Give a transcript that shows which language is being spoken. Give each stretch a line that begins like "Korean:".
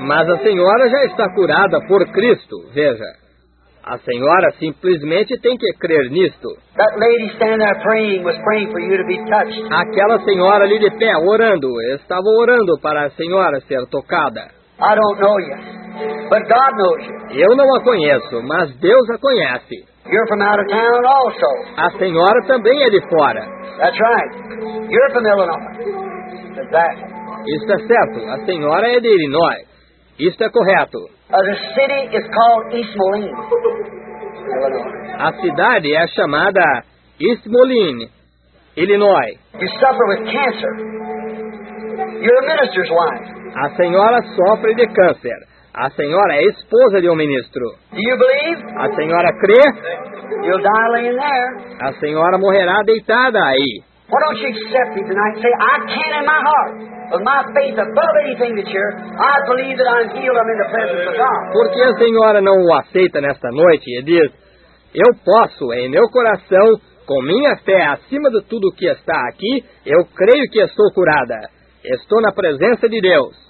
Portuguese: Mas a senhora já está curada por Cristo, veja. A senhora simplesmente tem que crer nisto.
English: That lady standing there praying was praying for you to be touched.
Portuguese: Aquela senhora ali de pé, orando, estava orando para a senhora ser tocada.
English: I don't know you, but God knows you.
Portuguese: Eu não a conheço, mas Deus a conhece.
English: You're from out of town also.
Portuguese: A senhora também é de fora.
English: That's right. You're from Illinois. Exactly.
Portuguese: Isso é certo. A senhora é de Illinois. Isso é correto.
English: The city is called East Moline, Illinois.
Portuguese: A cidade é chamada East Moline, Illinois.
English: You suffer with cancer. You're a minister's wife.
Portuguese: A senhora sofre de câncer. A senhora é esposa de um ministro.
English: Do you believe?
Portuguese: A senhora crê?
English: You'll die laying there.
Portuguese: A senhora morrerá deitada aí.
English: Why don't you accept me tonight? Say, I can in my heart. With my faith above anything that's here, I believe that I'm healed, I'm in the presence of God.
Portuguese: Por que a senhora não o aceita nesta noite e diz, eu posso, em meu coração, com minha fé acima de tudo que está aqui, eu creio que estou curada. Estou na presença de Deus.